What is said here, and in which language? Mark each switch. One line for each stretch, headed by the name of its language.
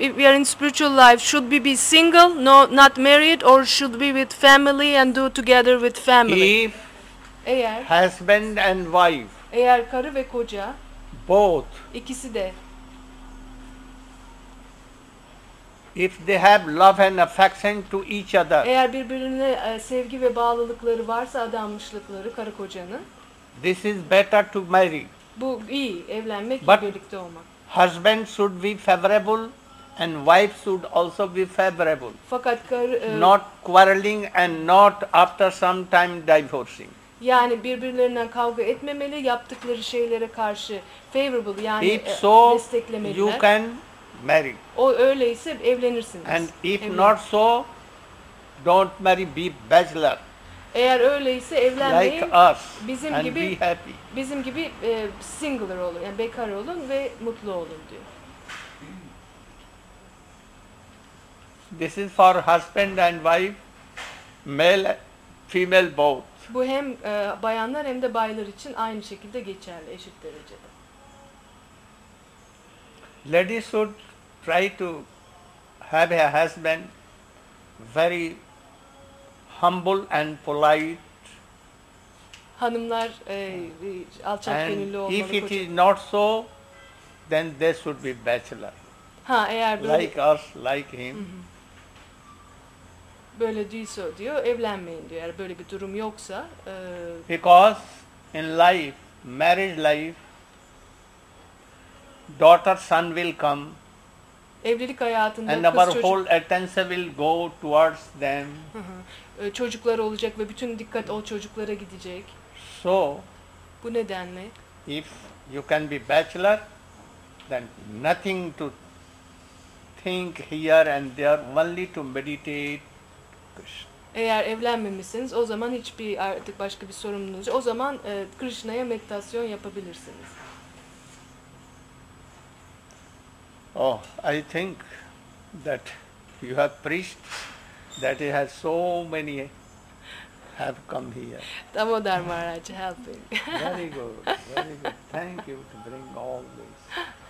English: If we are in spiritual life, should we be single, no, not married, or should we be with family and do together with family? If
Turkish: eğer
English: husband and wife,
Turkish: eğer karı ve koca,
English: both,
Turkish: ikisi de,
English: if they have love and affection to each other,
Turkish: eğer birbirine sevgi ve bağlılıkları varsa, adanmışlıkları karı kocanın,
English: this is better to marry.
Turkish: Bu iyi, evlenmek,
English: but
Turkish: birlikte olmak.
English: Husband should be favorable and wife should also be favorable.
Turkish: Fakat
English: not quarreling and not after some time divorcing.
Turkish: Yani birbirlerinden kavga etmemeli, yaptıkları şeylere karşı favorable, yani
English: if so,
Turkish: desteklemeliler.
English: You can marry.
Turkish: O öyleyse evlenirsiniz.
English: And if
Turkish: evlen.
English: Not so, don't marry, be bachelor.
Turkish: Eğer öyleyse evlenmeyin.
English: Like us,
Turkish: bizim
English: and
Turkish: gibi
English: be happy.
Turkish: Bizim gibi singular olun, yani bekar olun ve mutlu olun diyor.
English: This is for husband and wife, male, female both.
Turkish: Bu hem bayanlar hem de baylar için aynı şekilde geçerli, eşit derecede.
English: Ladies should try to have a husband very humble and polite.
Turkish: Hanımlar alçak
English: and
Turkish: gönüllü olmalı.
English: And if it is not so, then they should be bachelor.
Turkish: Ha, eğer böyle
English: like us, like him.
Turkish: Böyle değilse diyor, evlenmeyin diyor. Eğer böyle bir durum yoksa.
English: Because in life, marriage life, daughter, son will come.
Turkish: Evlilik hayatında
English: and
Turkish: kız çocuk.
English: And our whole attention will go towards them.
Turkish: Çocuklar olacak ve bütün dikkat o çocuklara gidecek.
English: So,
Turkish: bu nedenle,
English: if you can be bachelor, then nothing to think here and there, only to meditate.
Turkish: Eğer evlenmemişsiniz, o zaman hiçbir artık başka bir sorumluluğunuz yok. O zaman Krishna'ya meditasyon yapabilirsiniz.
English: Oh, I think that you have preached that he has so many have come here. Damodar Maharaj helping. Very good, very good. Thank you to bring all this.